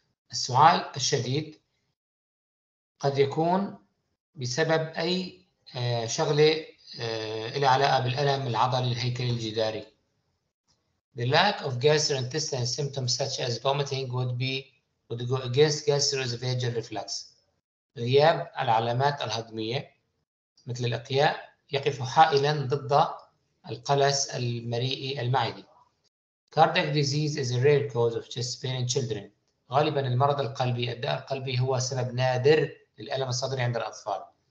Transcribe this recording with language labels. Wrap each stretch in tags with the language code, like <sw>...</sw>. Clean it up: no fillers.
<ar>السعال الشديد قد يكون بسبب أي شغلة إلها علاقة بالألم العضلي الهيكلي الجداري.</ar> <en>The lack of gastrointestinal symptoms such as vomiting would go against gastroesophageal reflux.</en> <ar>غياب العلامات الهضمية مثل الأقياء يقف حائلا ضد القلس المريئي المعدي.</ar> <en>Cardiac disease is a rare cause of chest pain in children.</en> <ar>غالبا المرض القلبي الداء القلبي هو سبب نادر للألم الصدري عند الأطفال.</ar>